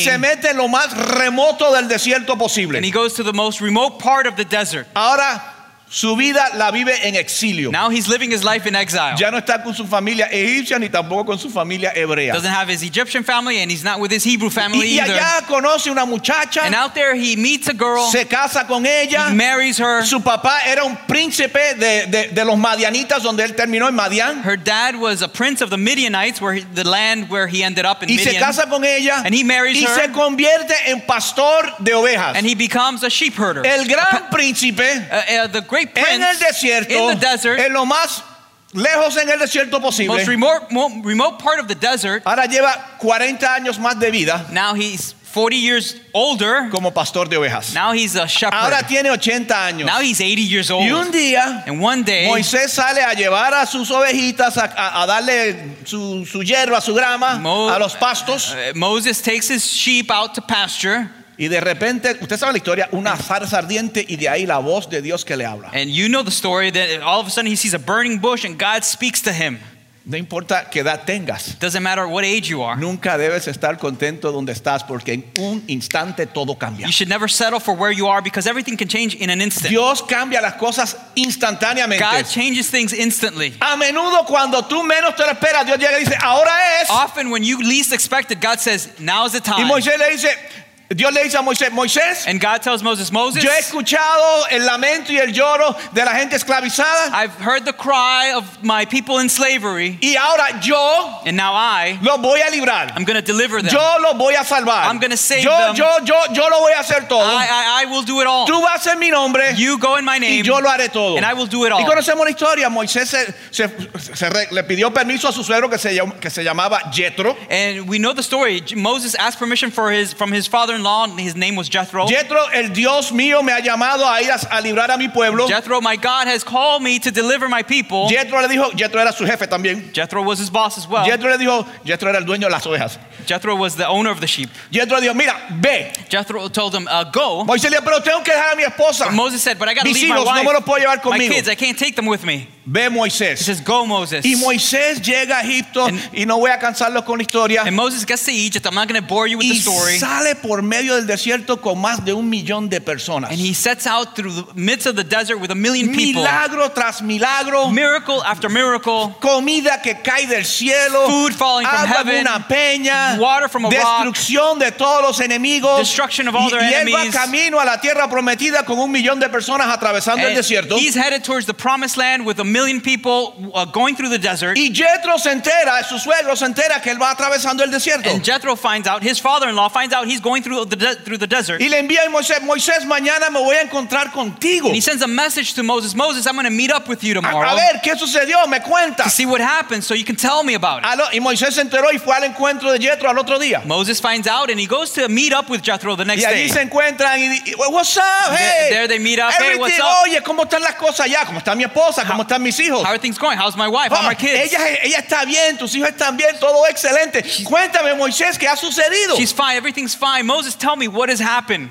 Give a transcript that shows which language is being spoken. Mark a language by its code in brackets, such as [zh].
[es] Y se mete en lo más remoto del desierto posible. [en] And he goes to the most remote part of the desert. [es] Ahora su vida la vive en exilio. [en] Now he's living his life in exile. [es] Ya no está con su familia egipcia ni tampoco con su familia hebrea. [en] Doesn't have his Egyptian family and he's not with his Hebrew family [es] y [en] either. [es] Y allá conoce una muchacha. [en] And out there he meets a girl. [es] Se casa con ella. [en] He marries her. [es] Su papá era un príncipe de los Madianitas donde él terminó en Madian. [en] Her dad was a prince of the Midianites, the land where he ended up in Midian. [es] Y se casa con ella. [en] And he marries [es] y [en] her. [es] Y se convierte en pastor de ovejas. [en] And he becomes a sheep herder. [es] El gran príncipe. [en] The great prince, [es] en el desierto, [en] in the desert, [es] en lo más lejos en el desierto posible, [en] most remote part of the desert. [es] Ahora lleva 40 años más de vida. [en] Now he's 40 years older. [es] Como pastor de ovejas. [en] Now he's a shepherd. [es] Ahora tiene 80 años. [en] Now he's 80 years old. [es] Y un día, [en] and one day, [es] Moisés sale a llevar a sus ovejitas a darle su hierba, su grama, a los pastos. [en] Moses takes his sheep out to pasture. [es] Y de repente, usted sabe la historia, una zarza ardiente y de ahí la voz de Dios que le habla. [en] And you know the story that all of a sudden he sees a burning bush and God speaks to him. [es] No importa qué edad tengas. [en] Doesn't matter what age you are. [es] Nunca debes estar contento donde estás porque en un instante todo cambia. [en] You should never settle for where you are because everything can change in an instant. [es] Dios cambia las cosas instantáneamente. [en] God changes things instantly. [es] A menudo cuando tú menos te lo esperas, Dios llega y dice, ahora es. [en] Often when you least expect it, God says, now is the time. [es] Y Moisés le dice, Dios le dice a Moisés, Moisés. [en] And God tells Moses, Moses. [es] Yo he escuchado el lamento y el lloro de la gente esclavizada. [en] I've heard the cry of my people in slavery. [es] Y ahora yo. [en] And now I. [es] Lo voy a librar. [en] I'm going to deliver them. [es] Yo lo voy a salvar. [en] I'm going to save [es] yo, [en] them. [es] Yo lo voy a hacer todo. [en] I will do it all. [es] Tú vas en mi nombre. [en] You go in my name. [es] Y yo lo haré todo. [en] And I will do it all. [es] Y conocemos la historia. Moisés le pidió permiso a su suegro que se llamaba Jethro. [en] And we know the story. Moses asked permission from his father-in-law. His name was Jethro. [es] Jethro, el Dios mío, me ha llamado a ir a librar a mi pueblo. [en] Jethro, my God has called me to deliver my people. [es] Jethro le dijo, Jethro era su jefe también. [en] Jethro was his boss as well. [es] Jethro le dijo, Jethro era el dueño de las ovejas. [en] Jethro was the owner of the sheep. [es] Jethro dijo, mira, ve. [en] Jethro told him, go. [es] Moisés le dijo, pero tengo que dejar a mi esposa. [en] Moses said, but I got to leave my wife. [es] No me los puedo llevar conmigo. [en] My kids, I can't take them with me. [es] Ve Moisés. [en] He says, go Moses. [es] Y Moisés llega a Egipto y no voy a cansarlo con la historia. [en] And Moses gets to Egypt. I'm not going to bore you with the story. [es] Y sale por medio del desierto con más de 1,000,000 de personas. [en] And he sets out through the midst of the desert with 1,000,000 people. [es] Milagro tras milagro. [en] Miracle after miracle. [es] Comida que cae del cielo. [en] Food falling from heaven. [es] Agua de una peña. [en] Water from a [es] destrucción Destrucción de todos los enemigos. [en] Destruction of all their enemies. [es] Y él va camino a la tierra prometida con 1,000,000 de personas atravesando [en] and [es] el desierto. [en] He's headed towards the promised land with 1,000,000 people going through the desert. [es] Y Jethro se entera, su suegro se entera que él va atravesando el desierto. [en] And Jethro finds out, his father-in-law finds out he's going through the desert. [es] Y le envía a Moisés, Moisés, mañana me voy a encontrar contigo. [en] And he sends a message to Moses, Moses, I'm going to meet up with you tomorrow. [es] A ver, ¿qué sucedió? Me cuenta. [en] To see what happened so you can tell me about it. [es] Y Moisés se enteró y fue al encuentro de Jethro al otro día. [en] Moses finds out and he goes to meet up with Jethro the next [es] y [en] day. [es] Y ahí se encuentran y [en] what's up, hey? There they meet up, everything, hey, what's up? [es] Oye, ¿cómo están las cosas allá? ¿Cómo está mi esposa? ¿Cómo están mis hijos? [en] How are things going? How's my wife? How are my kids? [es] Ella está bien. Tus hijos están bien. Todo excelente. Cuéntame, Moisés, ¿qué ha sucedido? [en] She's fine. Everything's fine. Moses, tell me what has happened.